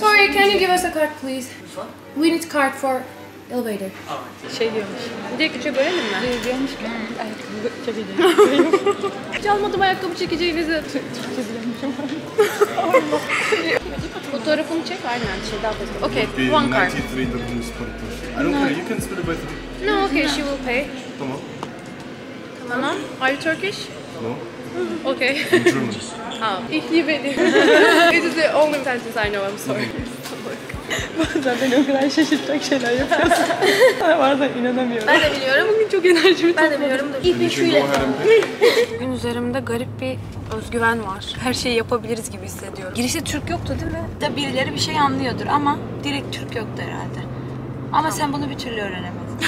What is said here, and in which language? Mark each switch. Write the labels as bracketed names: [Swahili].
[English] Sorry, can you give us a card please? We need card for elevator. [Turkish] Şey diyormuş. Bir de küçük görelim mi? Diyormuş ki. Ayakkabı çekeceğim. Hiç almadım ayakkabı çekeceğimizi. Fotoğrafını çek aynen. Şey daha fazla. [English] Okay, one card. I don't care, you can split it by the... No, okay, she will pay. [Turkish] Tamam. Tamam. [English] Are you Turkish? No. Okay. In German. How? It is the only sentence I know, I'm sorry. [Turkish] Bazen o kadar şaşırtacak şeyler yapıyorsun. Bazen inanamıyorum. Ben de biliyorum. Bugün çok enerjimi topladım. Ben de biliyorum. Bugün üzerimde garip bir özgüven var. Her şeyi yapabiliriz gibi hissediyorum. Girişte Türk yoktu değil mi? Da birileri bir şey anlıyordur ama direkt Türk yoktu herhalde. Ama tamam. Sen bunu bir türlü öğrenemezsin.